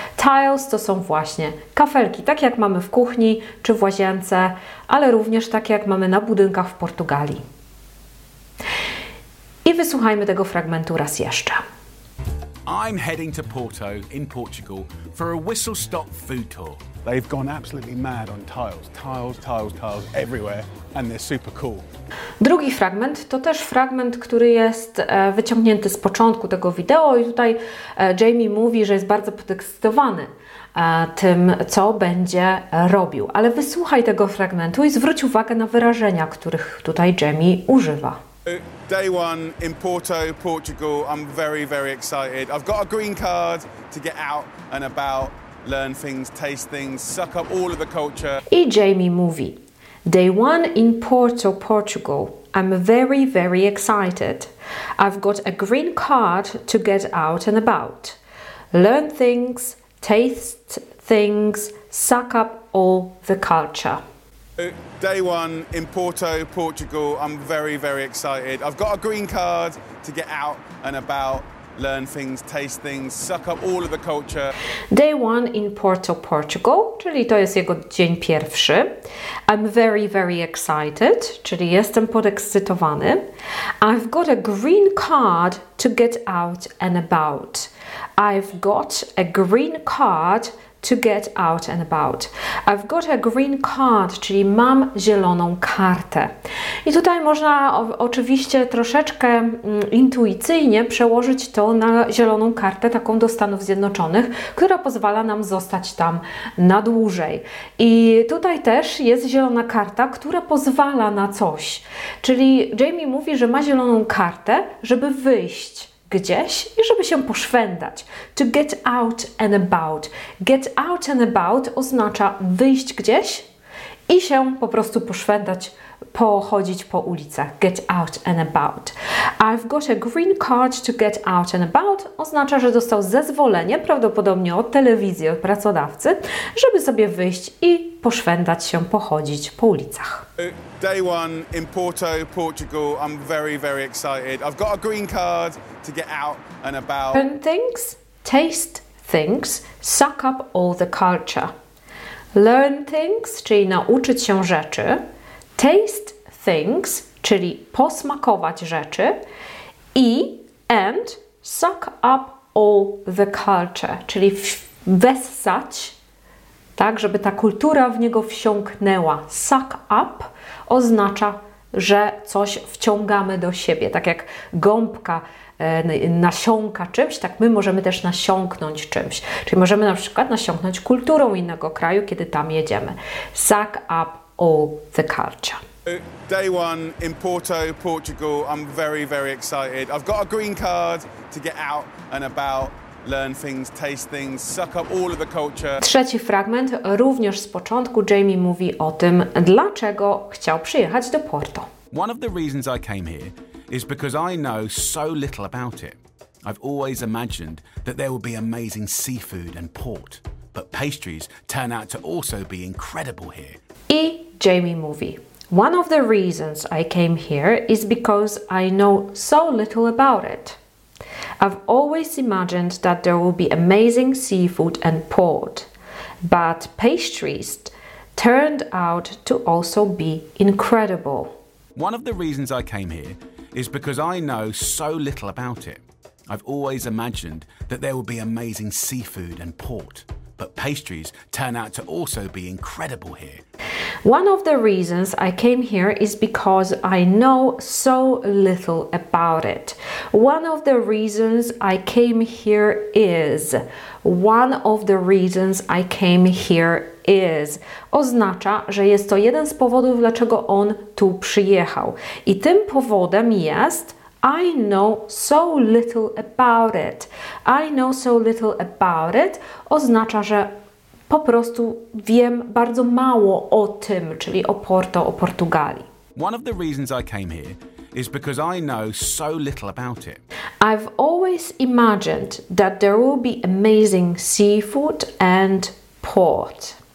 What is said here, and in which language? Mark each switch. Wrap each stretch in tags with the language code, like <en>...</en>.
<pl>Tiles to są właśnie kafelki, tak jak mamy w kuchni czy w łazience, ale również takie jak mamy na budynkach w Portugalii. I wysłuchajmy tego fragmentu raz jeszcze.</pl> <en>I'm heading to Porto in Portugal for a whistle-stop food tour. They've gone absolutely mad on tiles. Tiles, tiles, tiles everywhere and they're super cool.</en> <pl>Drugi fragment to też fragment, który jest wyciągnięty z początku tego wideo i tutaj Jamie mówi, że jest bardzo podekscytowany tym, co będzie robił. Ale wysłuchaj tego fragmentu i zwróć uwagę na wyrażenia, których tutaj Jamie używa.</pl> <en>Day one in Porto, Portugal. I'm very, very excited. I've got a green card to get out and about, learn things, taste things, suck up all of the culture.</en> <pl>I Jamie mówi:</pl> <en>Day one in Porto, Portugal. I'm very, very excited. I've got a green card to get out and about, learn things, taste things, suck up all the culture. Day one in Porto, Portugal. I'm very, very excited. I've got a green card to get out and about, learn things, taste things, suck up all of the culture. Day one in Porto, Portugal,</en> <pl>czyli to jest jego dzień pierwszy.</pl> <en>I'm very, very excited,</en> <pl>czyli jestem podekscytowany.</pl> <en>I've got a green card to get out and about. I've got a green card to get out and about. I've got a green card,</en> <pl>czyli mam zieloną kartę. I tutaj można oczywiście troszeczkę intuicyjnie przełożyć to na zieloną kartę, taką do Stanów Zjednoczonych, która pozwala nam zostać tam na dłużej. I tutaj też jest zielona karta, która pozwala na coś. Czyli Jamie mówi, że ma zieloną kartę, żeby wyjść gdzieś i żeby się poszwędzać.</pl> <en>To get out and about.</en> <pl>Get out and about oznacza wyjść gdzieś i się po prostu poszwędzać, pochodzić po ulicach.</pl> <en>Get out and about.</en> <pl>I've got a green card to get out and about oznacza, że dostał zezwolenie, prawdopodobnie od telewizji, od pracodawcy, żeby sobie wyjść i poszwędzać się, pochodzić po ulicach.</pl> <en>Day one in Porto, Portugal. I'm very, very excited. I've got a green card to get out and about. Learn things, taste things, suck up all the culture. Learn things,</en> <pl>czyli nauczyć się rzeczy.</pl> <en>Taste things,</en> <pl>czyli posmakować rzeczy. I</pl> <en>and suck up all the culture,</en> <pl>czyli wessać, tak, żeby ta kultura w niego wsiąknęła.</pl> <en>Suck up</en> <pl>oznacza, że coś wciągamy do siebie. Tak jak gąbka nasiąka czymś, tak my możemy też nasiąknąć czymś. Czyli możemy na przykład nasiąknąć kulturą innego kraju, kiedy tam jedziemy.</pl> <en>Suck up all the culture. Day one in Porto, Portugal. I'm very, very excited. I've got a green card to get out and about. Learn things, taste things, suck up all of the culture.</en> <pl>Trzeci fragment, również z początku, Jamie mówi o tym, dlaczego chciał przyjechać do Porto.</pl> <en>One of the reasons I came here is because I know so little about it. I've always imagined that there would be amazing seafood and port, but pastries turn out to also be incredible here.</en> <pl>I Jamie mówi,</pl> <en>one of the reasons I came here is because I know so little about it. I've always imagined that there will be amazing seafood and port, but pastries turned out to also be incredible. One of the reasons I came here is because I know so little about it. I've always imagined that there will be amazing seafood and port, but pastries turn out to also be incredible here. One of the reasons I came here is because I know so little about it. One of the reasons I came here is. One of the reasons I came here is.</en> <pl>Oznacza, że jest to jeden z powodów, dlaczego on tu przyjechał. I tym powodem jest</pl> <en>I know so little about it. I know so little about it</en> <pl>oznacza, że po prostu wiem bardzo mało o tym, czyli o Porto, o Portugalii.</pl> <en>One of the reasons I came here is because I know so little about it. I've always imagined that there will be amazing seafood and port.</en>